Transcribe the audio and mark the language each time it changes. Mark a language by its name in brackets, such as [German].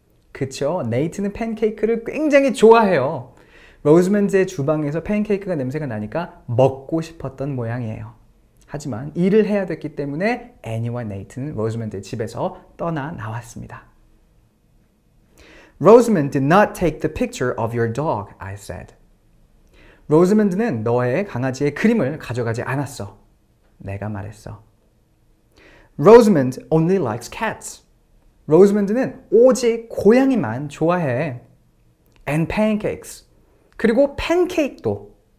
[Korean] 그쵸, 네이트는 팬케이크를 굉장히 좋아해요. 로즈먼즈의 주방에서 팬케이크가 냄새가 나니까 먹고 싶었던 모양이에요. 하지만 일을 해야 됐기 때문에 애니와 네이트는 로즈먼즈의 집에서 떠나 나왔습니다. [English] Roseman did not take the picture of your dog, I said. [Korean] 로즈먼즈는 너의 강아지의 그림을 가져가지 않았어. 내가 말했어. [English] Roseman only likes cats. [Korean] 로즈먼드는 오직 고양이만 좋아해. [English] And pancakes. [Korean] 그리고 팬케이크도.